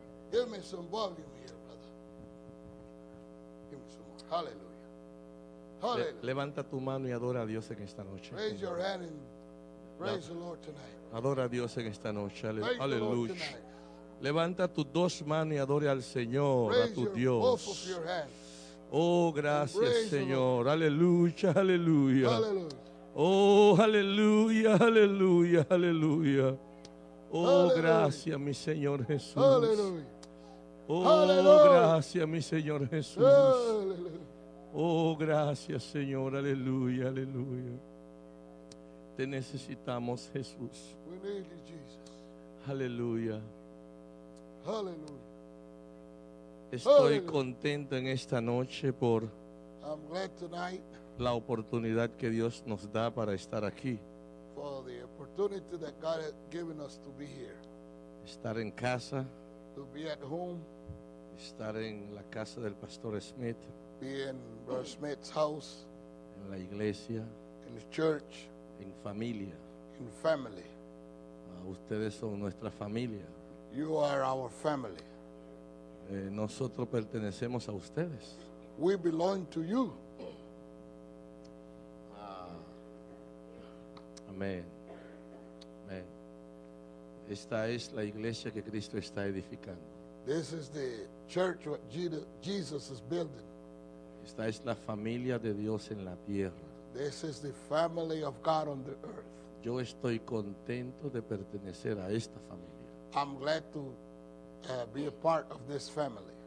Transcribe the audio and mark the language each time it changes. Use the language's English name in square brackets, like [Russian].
[English] Give me some volume here, brother. Give me some more. Hallelujah. Hallelujah. [Spanish] Levanta tu mano y adora a Dios en esta noche. [English] Raise your hand and praise the Lord tonight. [Spanish] Adora a Dios en esta noche. Hallelujah. Levanta tus dos manos y adore al Señor, [English] raise [Spanish] a tu Dios. [English] Both of your hands. [Spanish] Oh, gracias, Señor. Hallelujah. Hallelujah. [English] Hallelujah. Oh, hallelujah. Hallelujah. Hallelujah. Oh, [Spanish] aleluya. Gracias, mi Señor Jesús. Aleluya. Oh, aleluya. Gracias, mi Señor Jesús. Aleluya. Oh, gracias, Señor. Aleluya, aleluya. Te necesitamos, Jesús. [English] We need you, Jesus. [Spanish] Aleluya. Aleluya. Estoy aleluya. Contento en esta noche por [English] I'm glad tonight [Spanish] la oportunidad que Dios nos da para estar aquí. [English] For the opportunity that God has given us to be here. [Spanish] Estar en casa. [English] To be at home. [Spanish] Estar en la casa del Pastor Smith. [English] Be in Brother Smith's house. [Spanish] En la iglesia. [English] In the church. [Spanish] En familia. [English] In family. [Spanish] Ustedes son nuestra familia. [English] You are our family. [Spanish] Nosotros pertenecemos a ustedes. [English] We belong to you. [Spanish] Amén. Amén. Esta es la iglesia que Cristo está edificando. [English] This is the church that Jesus is building. [Spanish] Esta es la familia de Dios en la tierra. [English] This is the family of God on the earth. [Spanish] Yo estoy contento de pertenecer a esta familia. [English] I'm glad to be a part of this family.